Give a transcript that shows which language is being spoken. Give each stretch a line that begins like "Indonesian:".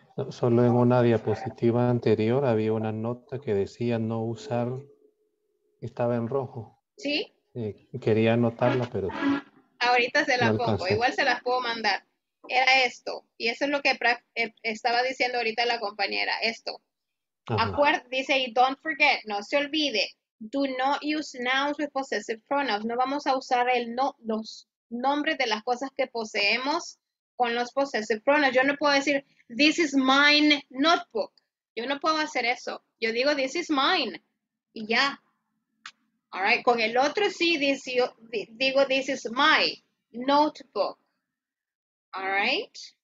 Spanish: Solo en una diapositiva anterior había una nota que decía no usar, estaba en rojo. Sí. Quería anotarla, pero. Ahorita se las pongo, igual se las puedo mandar. Era esto, y eso es lo que estaba diciendo ahorita la compañera, esto. Dice,
English: don't forget,
Spanish: no se olvide,
English: do not use nouns with possessive pronouns.
Spanish: No vamos a usar el no, los nombres de las cosas que poseemos con los possessive pronouns. Yo no puedo decir,
English: this is mine notebook.
Spanish: Yo no puedo hacer eso. Yo digo,
English: this is mine.
Spanish: Y ya.
English: All right.
Spanish: Con el otro sí, digo,
English: this is my notebook. All right.